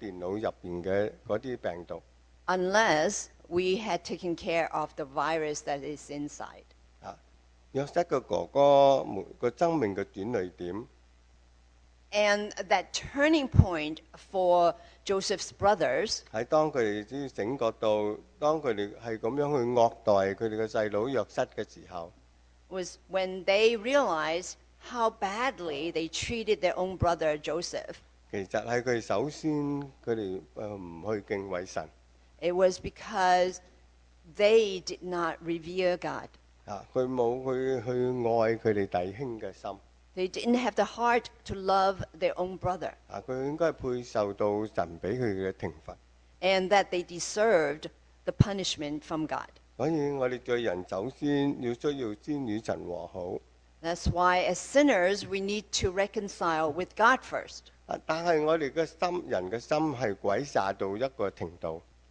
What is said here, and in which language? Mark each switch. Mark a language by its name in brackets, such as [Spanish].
[Chinese] 除非我們首先要清除了電腦裡面的那些病毒, [English] unless we had taken care of the virus that is inside. [Chinese] 約瑟的哥哥的生命的轉捩點, [English] and that turning point for Joseph's brothers, [Chinese] 是當他們醒覺到,當他們是這樣去虐待他們的弟弟約瑟的時候, [English] was when they realized how badly they treated their own brother Joseph. [Chinese] 其實是他們首先不去敬畏神, [English] it was because they did not revere God. [Chinese] 他沒有去愛他們弟兄的心, [English] they didn't have the heart to love their own brother. [Chinese] 他應該配受到神給他的懲罰, [English] and that they deserved the punishment from God. [Chinese] 所以我們罪人首先要先與神和好, [English] that's why as sinners we need to reconcile with God first. [Chinese] 但是我們的心,人的心是詭詐到一個程度,